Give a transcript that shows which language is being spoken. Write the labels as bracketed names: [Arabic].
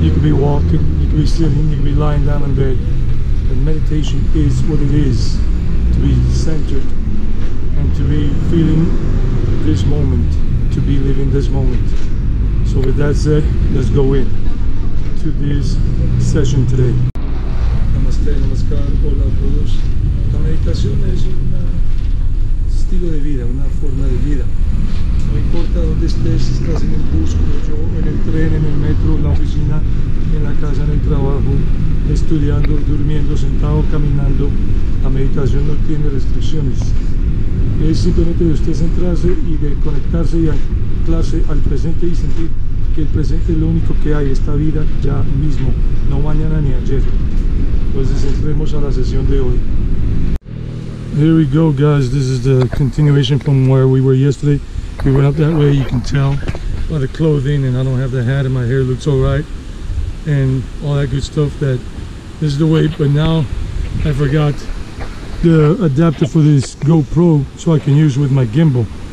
[English] You could be walking, you could be sitting, you could be lying down in bed. And meditation is what it is, to be centered and to be feeling this moment, to be living this moment. So with that said, let's go in to this session today. [Spanish] Namaste, namaskar, hola a todos. La meditación es un estilo de vida, una forma de vida. No importa donde estés, estás en el bus, como yo, en el tren, en el metro, en la oficina, en la casa, en el trabajo, estudiando, durmiendo, sentado, caminando. La meditación no tiene restricciones. Es simplemente de usted centrarse y de conectarse y anclarse al presente y sentir que el presente es lo único que hay, esta vida ya mismo, no mañana ni ayer. Entonces entremos a la sesión de hoy. [English] Here we go, guys. This is the continuation from where we were yesterday. We went up that way, you can tell by the clothing, and I don't have the hat and my hair looks all right and all that good stuff. That this is the way, but now I forgot the adapter for this GoPro so I can use with my gimbal.